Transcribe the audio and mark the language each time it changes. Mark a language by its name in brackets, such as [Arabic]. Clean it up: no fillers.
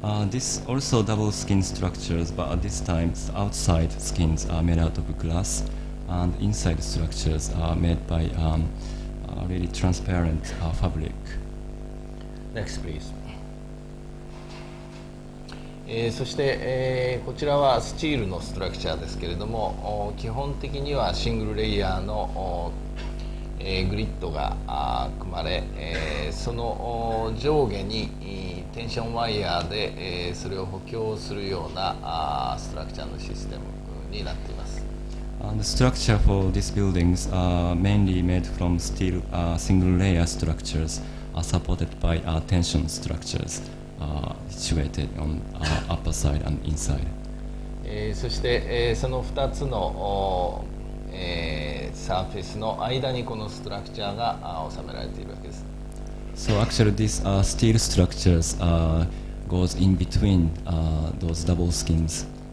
[English] This also double skin structures, but at this time the outside skins are made out of glass. And inside structures are made by really transparent fabric. Next, please. [Japanese] そして、こちらはスチールのストラクチャーですけれども、基本的にはシングルレイヤーの、グリッドが組まれ、その上下にテンションワイヤーで、それを補強するようなストラクチャーのシステムになっています。 [English] And the structure for these buildings are mainly made from steel single layer structures supported by tension structures situated on upper side and inside. [Japanese] そして、その2つの、サーフェスの間にこのストラクチャーが収められているわけです。 [English] So actually these steel structures goes in between those double skins.